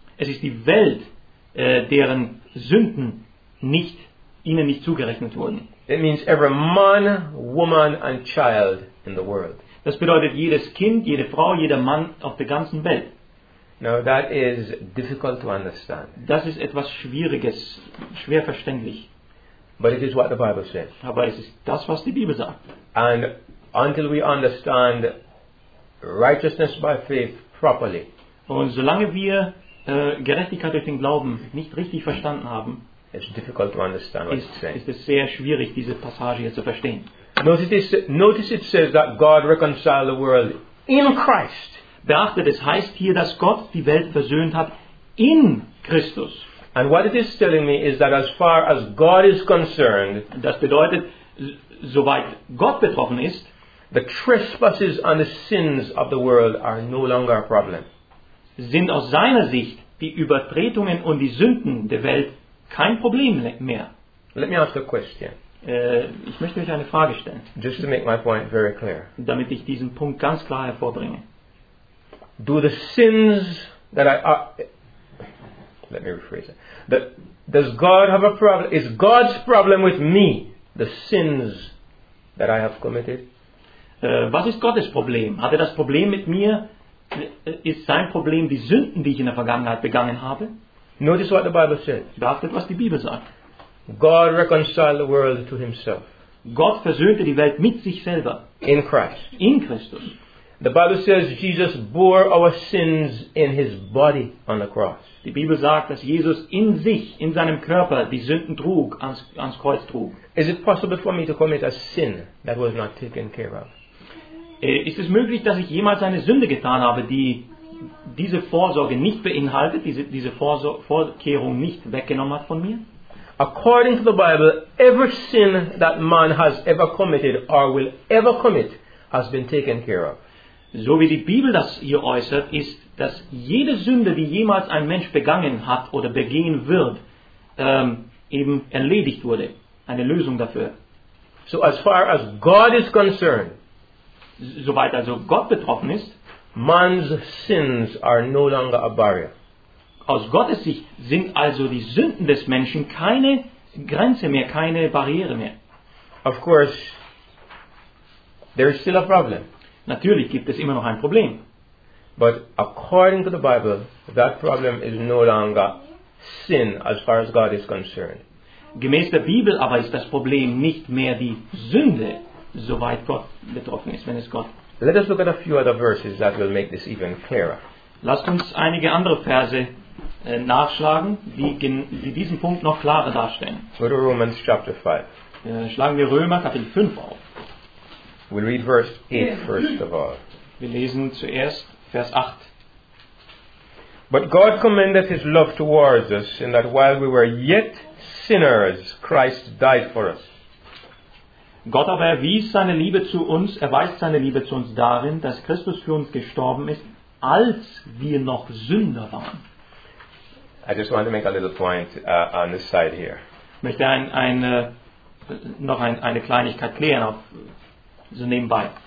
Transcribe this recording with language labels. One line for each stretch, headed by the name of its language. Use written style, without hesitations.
German: Es ist die Welt, deren Sünden nicht ihnen nicht zugerechnet wurden.
English: It means every man, woman and child in the world.
German: Das bedeutet jedes Kind, jede Frau, jeder Mann auf der ganzen Welt.
English: Now that is difficult to understand.
German: Das ist etwas Schwieriges, schwer verständlich.
English: But it is what the Bible says.
German: Aber es ist das, was die Bibel sagt.
English: And until we understand righteousness by faith properly.
German: Und solange wir Gerechtigkeit durch den Glauben nicht richtig verstanden haben,
English: it's difficult to understand what it's saying.
German: Ist es sehr schwierig, diese Passage hier zu verstehen.
English: Notice it says that God reconciled the world in Christ.
German: Beachtet, es heißt hier, dass Gott die Welt versöhnt hat in Christus.
English: And what it is telling me is that as far as God is concerned,
German: das bedeutet, soweit Gott betroffen ist,
English: the trespasses and the sins of the world are no longer a problem.
German: Sind aus seiner Sicht die Übertretungen und die Sünden der Welt kein Problem mehr.
English: Let me ask a question.
German: Ich möchte euch eine Frage stellen.
English: Just to make my point very clear.
German: Damit ich diesen Punkt ganz klar hervorbringe.
English: Do the sins that I let me rephrase it. Does God have a problem? Is God's problem with me the sins that I have committed?
German: Was ist Gottes Problem? Hat er das Problem mit mir? Ist sein Problem die Sünden, die ich in der Vergangenheit begangen habe?
English: Notice what the Bible says.
German: Beachtet, was die Bibel sagt.
English: God reconciled the world to himself.
German: Gott versöhnte die Welt mit sich selber.
English: In Christ.
German: In Christus.
English: The Bible says Jesus bore our sins in his body on the cross.
German: Die Bibel sagt, dass Jesus in sich, in seinem Körper, die Sünden trug, ans Kreuz trug.
English: Is it possible for me to commit a sin that was not taken care of?
German: Ist es möglich, dass ich jemals eine Sünde getan habe, die diese Vorsorge nicht beinhaltet, diese Vorkehrung nicht weggenommen hat von mir?
English: According to the Bible, every sin that man has ever committed or will ever commit has been taken care of.
German: So wie die Bibel das hier äußert, ist, dass jede Sünde, die jemals ein Mensch begangen hat oder begehen wird, eben erledigt wurde. Eine Lösung dafür.
English: So as far as God is concerned,
German: soweit also Gott betroffen ist,
English: man's sins are no longer a barrier.
German: Aus Gottes Sicht sind also die Sünden des Menschen keine Grenze mehr, keine Barriere mehr.
English: Of course, there is still a problem.
German: Natürlich gibt es immer noch ein Problem.
English: But according to the Bible, that problem is no longer sin as far as God is concerned.
German: Gemäß der Bibel aber ist das Problem nicht mehr die Sünde, soweit Gott betroffen ist, wenn es Gott.
English: Let us look at a few other verses that will make this even clearer.
German: Lasst uns einige andere Verse nachschlagen, die diesen Punkt noch klarer darstellen.
English: Go to Romans chapter 5.
German: Schlagen wir Römer Kapitel 5 auf.
English: We read verse 8 first of all.
German: Wir lesen zuerst Vers 8.
English: But God commendeth his love towards us, in that while we were yet sinners, Christ died for us.
German: Gott aber erwies seine Liebe zu uns, erweist seine Liebe zu uns darin, dass Christus für uns gestorben ist, als wir noch Sünder waren.
English: I just want to make a little point on this side here.
German: Ich möchte eine Kleinigkeit klären, auf, so nebenbei.